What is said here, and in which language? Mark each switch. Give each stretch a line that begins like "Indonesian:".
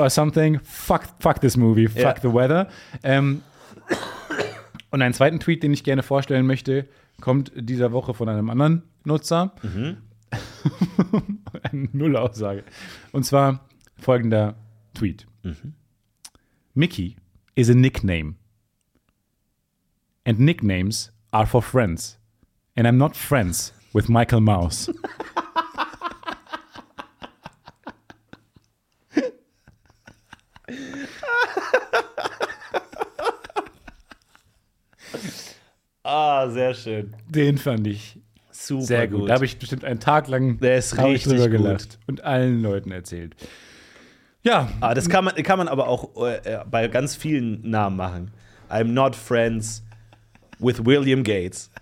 English: Or something. Fuck this movie. Fuck the weather.
German: Und einen zweiten Tweet, den ich gerne vorstellen möchte, kommt dieser Woche von einem anderen Nutzer. Mhm. Eine Nullaussage. Und zwar folgender Tweet.
English: Mhm. Mickey is a nickname. And nicknames are for friends. And I'm not friends with Michael Mouse.
German: Ah, sehr schön. Den fand ich super sehr gut. Da habe ich bestimmt einen Tag lang drüber gelacht und allen Leuten erzählt. Ja. Ah, das kann man aber auch bei ganz vielen Namen machen.
English: I'm not friends with William Gates.